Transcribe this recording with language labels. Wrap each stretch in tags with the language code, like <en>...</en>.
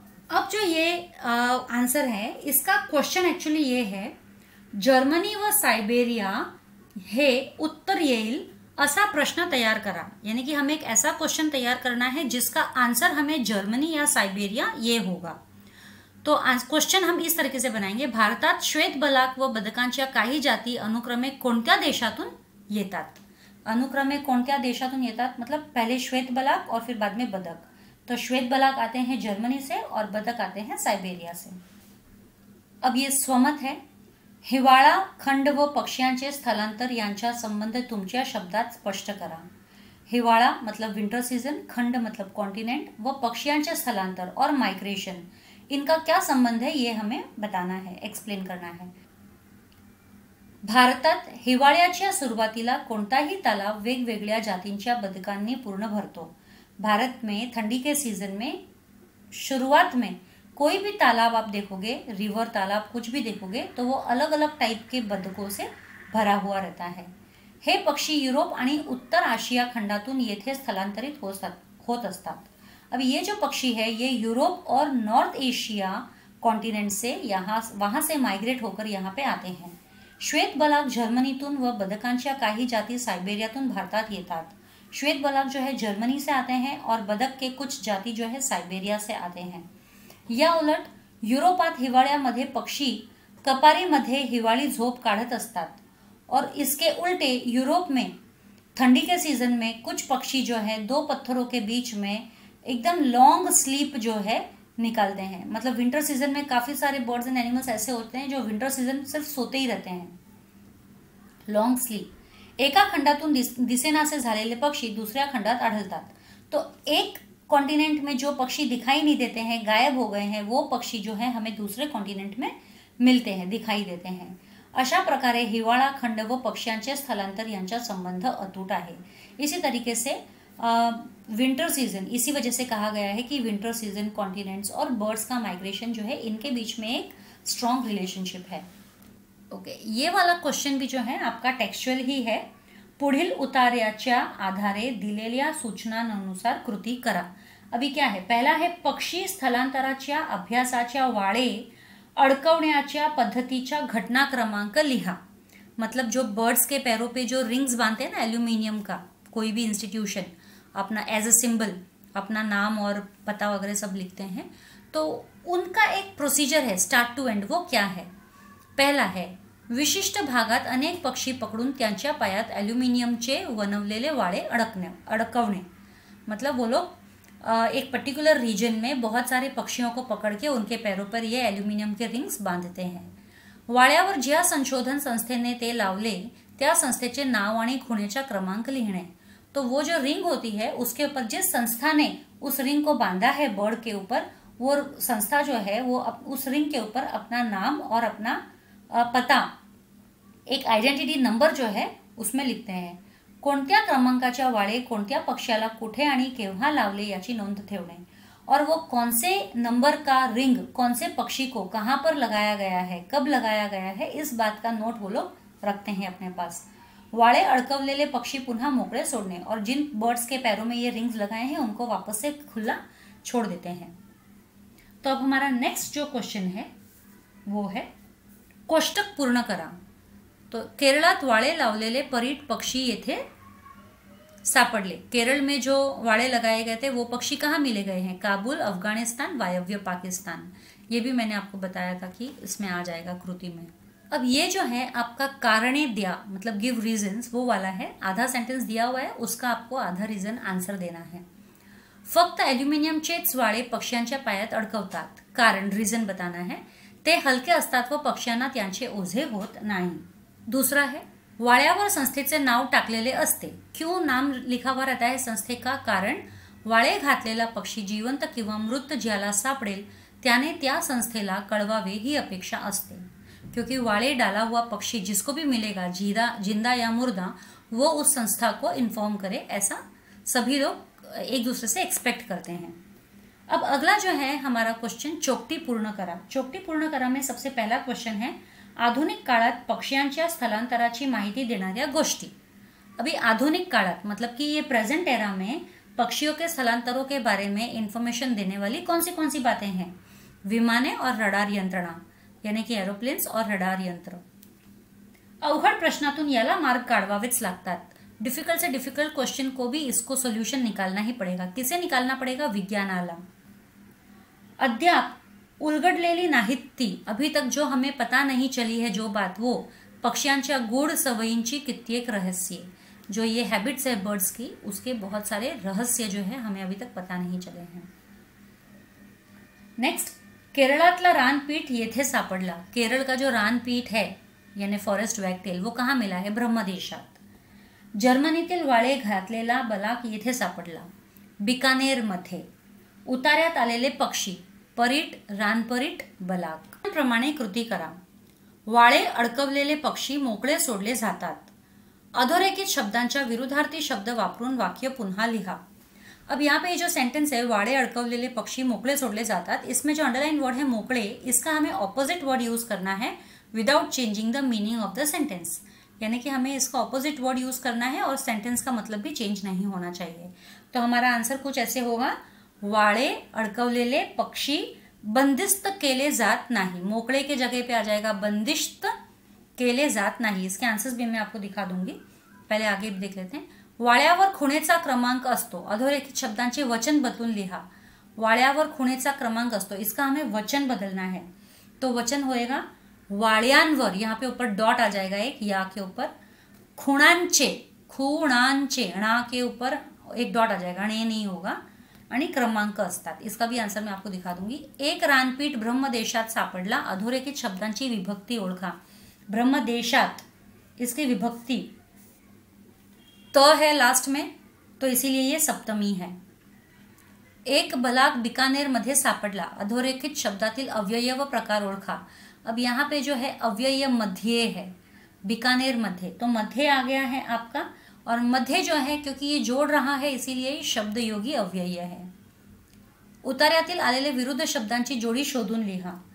<hi>अब जो ये आंसर है, इसका क्वेश्चन एक्चुअली ये है,</hi> <mr>जर्मनी व साइबेरिया हे उत्तर येईल असा प्रश्न तैयार करा।</mr> <hi>यानी कि हमें एक ऐसा क्वेश्चन तैयार करना है जिसका आंसर हमें जर्मनी या साइबेरिया ये होगा। तो क्वेश्चन हम इस तरीके से बनाएंगे,</hi> <mr>भारतात श्वेत बलाक व बदकांच्या काही जाती अनुक्रमे कोणत्या देशातून येतात। अनुक्रमे कोणत्या देशातून येतात</mr> <hi>मतलब पहले श्वेत बलाक और फिर बाद में बदक। तो श्वेत बलाक आते हैं जर्मनी से और बदक आते हैं साइबेरिया से। अब ये स्वमत है,</hi> <mr>हिवाळा खंड व पक्ष्यांचे स्थलांतर यांच्या संबंध तुमच्या शब्दात स्पष्ट करा।</mr> <hi>हिवाळा मतलब विंटर सीजन, खंड मतलब कॉन्टिनेंट व पक्ष्यांचे स्थलांतर और माइग्रेशन, इनका क्या संबंध है ये हमें बताना है, एक्सप्लेन करना है।</hi> <mr>भारतात हिवाळ्याच्या सुरुवातीला कोणताही तलाव वेगवेगळ्या जातींच्या बदकांनी पूर्ण भरतो।</mr> <hi>भारत में ठंडी के सीजन में शुरुआत में कोई भी तालाब आप देखोगे, रिवर तालाब कुछ भी देखोगे, तो वो अलग अलग टाइप के बदकों से भरा हुआ रहता है।</hi> <mr>हे पक्षी यूरोप आणि उत्तर आशिया खंडातून येथे स्थलांतरित होत असतात।</mr> <hi>अब ये जो पक्षी है ये यूरोप और नॉर्थ एशिया कॉन्टिनेंट से यहाँ वहाँ से माइग्रेट होकर यहाँ पे आते हैं।</hi> <mr>श्वेत बलाक जर्मनीतून व बदकांच्या काही जाती साइबेरियातून भारतात येतात।</mr> <hi>श्वेत बलाक जो है जर्मनी से आते हैं और बदक के कुछ जाति जो है साइबेरिया से आते हैं।</hi> <mr>या उलट, यूरोपात हिवाळ्यामध्ये पक्षी कपारीमध्ये हिवाळी झोप काढत असतात,</mr> <hi>और इसके उल्टे यूरोप में ठंडी के सीजन में कुछ पक्षी जो है दो पत्थरों के बीच में एकदम लॉन्ग स्लीप जो है निकालते हैं। मतलब विंटर सीजन में काफी सारे बर्ड्स एंड एनिमल्स ऐसे होते हैं जो विंटर सीजन सिर्फ सोते ही रहते हैं, लॉन्ग स्लीप।</hi> <mr>एका खंडातून दिसेनासे झालेले पक्षी दुसऱ्या खंडात आढळतात।</mr> <hi>तो एक कॉन्टिनेंट में जो पक्षी दिखाई नहीं देते हैं, गायब हो गए हैं, वो पक्षी जो है हमें दूसरे कॉन्टिनेंट में मिलते हैं, दिखाई देते हैं।</hi> <mr>अशा प्रकारे हिवाळा खंड व पक्ष्यांचे स्थलांतर यांचा संबंध अतूट आहे।</mr> <hi>इसी तरीके से विंटर सीजन, इसी वजह से कहा गया है कि विंटर सीजन कॉन्टिनेंट्स और बर्ड्स का माइग्रेशन जो है इनके बीच में एक स्ट्रॉन्ग रिलेशनशिप है। ओके, ये वाला क्वेश्चन भी जो है आपका टेक्स्चुअल ही है,</hi> <mr>पुढ़िल उतार्याच्या आधारे दिलेल्या सूचनांनुसार कृती करा।</mr> <hi>अभी क्या है, पहला है</hi> <mr>पक्षी स्थलांतराच्या अभ्यासाच्या वाळे अडकवण्याच्या पद्धतीचा घटना क्रमांक लिहा।</mr> <hi>मतलब जो बर्ड्स के पैरों पे जो रिंग्स बांधते हैं ना एल्युमिनियम का, कोई भी इंस्टीट्यूशन अपना एज अ सिंबल अपना नाम और पता वगैरह सब लिखते हैं, तो उनका एक प्रोसीजर है स्टार्ट टू एंड, वो क्या है? पहला है</hi> <mr>विशिष्ट भागात अनेक पक्षी पकडून त्यांच्या पायात ॲल्युमिनियमचे बनवलेले वाळे अडकवणे।</mr> <hi>मतलब वो लोग एक पर्टिक्युलर रीजन में बहुत सारे पक्षियों को पकड़ के उनके पैरों पर ये ॲल्युमिनियम के रिंग्स बांधते हैं।</hi> <mr>वाळ्यावर ज्या संशोधन संस्थेने ते लावले त्या संस्थेचे नाव आणि खुणेचा क्रमांक लिहिणे।</mr> <hi>तो वो जो रिंग होती है उसके ऊपर जिस संस्था ने उस रिंग को बांधा है बर्ड के ऊपर, वो संस्था जो है वो उस रिंग के ऊपर अपना नाम और अपना पता, एक आइडेंटिटी नंबर जो है उसमें लिखते हैं।</hi> <mr>कोणत्या क्रमांकाच्या वाळे कोणत्या पक्षाला कुठे आणि केव्हा लावले याची नोंद ठेवणे,</mr> <hi>और वो कौन से नंबर का रिंग कौन से पक्षी को कहाँ पर लगाया गया है, कब लगाया गया है, इस बात का नोट वो लोग रखते हैं अपने पास।</hi> <mr>वाळे अडकवलेले पक्षी पुन्हा मोकळे सोडणे,</mr> <hi>और जिन बर्ड्स के पैरों में ये रिंग्स लगाए हैं उनको वापस से खुला छोड़ देते हैं। तो अब हमारा नेक्स्ट जो क्वेश्चन है वो है कोष्टक पूर्ण करा।</hi> <mr>तो केरलात वाळे लावलेले परीट पक्षी येथे सापडले।</mr> <hi>केरल में जो वाळे लगाए गए थे वो पक्षी कहाँ मिले गए हैं? काबुल, अफगानिस्तान, वायव्य पाकिस्तान। ये भी मैंने आपको बताया था कि इसमें आ जाएगा कृति में। अब ये जो है आपका कारणे दिया मतलब गिव रीजन्स वो वाला है, आधा सेंटेंस दिया हुआ है उसका आपको आधा रीजन आंसर देना है।</hi> <mr>फक्त ॲल्युमिनियम चेट्स वाळे पक्ष्यांच्या पायात अडकवतात, कारण</mr> <hi>रीजन बताना है।</hi> <mr>ते हलके असतात व पक्ष्यांना त्यांचे ओझे होत नाही।</mr> <hi>दूसरा है</hi> <mr>वाळ्यावर संस्थेचे नाव टाकलेले असते,</mr> <hi>क्यों नाम लिखावा रहता है संस्थे का?</hi> <mr>कारण वाळे घातलेला पक्षी जिवंत किंवा मृत ज्याला सापडेल त्याने त्या संस्थेला कळवावे ही अपेक्षा असते,</mr> <hi>क्योंकि वाळे डाला हुआ पक्षी जिसको भी मिलेगा जिंदा या मुर्दा वो उस संस्था को इन्फॉर्म करे, ऐसा सभी लोग एक दूसरे से एक्सपेक्ट करते हैं। अब अगला जो है हमारा क्वेश्चन चोपटी पूर्ण करा। चोपटी पूर्ण करा में सबसे पहला क्वेश्चन है</hi> <mr>आधुनिक काळात पक्ष्यांच्या स्थलांतराची माहिती देणाऱ्या गोष्टी।</mr> <hi>अभी आधुनिक काळात मतलब कि ये प्रेजेंट एरा में पक्षियों के स्थलांतरों के बारे में इन्फॉर्मेशन देने वाली कौन सी बातें हैं? विमाने और रडार यंत्रणा, यानी कि एरोप्लेन्स और रडार यंत्र।</hi> <mr>अवघड प्रश्नातून याला मार्ग काढवावेच लागतात।</mr> <hi>डिफिकल्ट से डिफिकल्ट क्वेश्चन को भी इसको सोल्यूशन निकालना ही पड़ेगा। किसे निकालना पड़ेगा?</hi> <mr>विज्ञानाला। अद्याप उलगडलेली नाहीत ती,</mr> <hi>अभी तक जो हमें पता नहीं चली है जो बात, वो</hi> <mr>पक्ष्यांच्या गूढ सवयींची कित्येक रहस्य।</mr> <hi>जो ये हैबिट्स है बर्ड्स की उसके बहुत सारे रहस्य जो है हमें अभी तक पता नहीं चले हैं। नेक्स्ट</hi> <mr>केरलातला रानपीठ येथे सापडला।</mr> <hi>केरल का जो रानपीठ है यानी फॉरेस्ट वैगटेल वो कहाँ मिला है?</hi> <mr>ब्रह्मदेशात। जर्मनीतील वाळे घातलेला बलाक येथे सापडला, बिकानेर मध्ये। उतार्यात आलेले पक्षी परीट, रानपरीट, बलाक। प्रमाणे कृती करा। वाळे अडकवलेले पक्षी मोकळे सोडले जातात। अधोरेखित शब्दांच्या विरुद्धार्थी शब्द वापरून वाक्य पुन्हा लिहा।</mr> <hi>अब यहाँ पे जो सेंटेंस है</hi> <mr>वाळे अडकवलेले पक्षी मोकळे सोडले जातात,</mr> <hi>इसमें जो अंडरलाइन वर्ड है मोकळे, इसका हमें ऑपोजिट वर्ड यूज करना है</hi> <en>Without changing the meaning of the sentence.</en> <hi>यानी कि हमें इसका ऑपोजिट वर्ड यूज करना है और सेंटेंस का मतलब भी चेंज नहीं होना चाहिए। तो हमारा आंसर कुछ ऐसे होगा,</hi> <mr>वाळे अडकवलेले पक्षी बंदिस्त केले जात नाही।</mr> <hi>मोकळे के जगह पे आ जाएगा</hi> <mr>बंदिस्त केले जात नाही।</mr> <hi>इसके आंसर्स भी मैं आपको दिखा दूंगी, पहले आगे देख लेते हैं।</hi> <mr>वाळ्यावर खुणेचा क्रमांक असतो, अधोरेखित शब्दांचे वचन बदलून लिहा। वाळ्यावर खुणेचा क्रमांक असतो,</mr> <hi>इसका हमें वचन बदलना है। तो वचन होएगा वाळ्यांवर, यहाँ पे ऊपर डॉट आ जाएगा एक या के ऊपर, खुणांचे, खुणांचे णा के ऊपर एक डॉट आ जाएगा, णे नहीं होगा, आणि क्रमांक असतात। इसका भी आंसर मैं आपको दिखा दूंगी।</hi> <mr>एक रानपीठ ब्रह्मदेशात सापडला, अधोरेखित शब्दांची विभक्ती ओळखा।</mr> <hi>ब्रह्मदेशात इसकी विभक्ति तो है लास्ट में, तो इसीलिए ये सप्तमी है।</hi> <mr>एक बलाक बिकानेर मध्ये सापडला, अधोरेखित शब्दातील अव्यय व प्रकार ओळखा।</mr> <hi>अब यहाँ पे जो है अव्यय मध्ये है, बिकानेर मध्ये, तो मध्ये आ गया है आपका, और मध्य जो है क्योंकि ये जोड़ रहा है इसीलिए शब्द योगी अव्यय है।</hi> <mr>उतार्यातील आलेले विरुद्ध शब्दांची जोड़ी शोधून लिहा।</mr>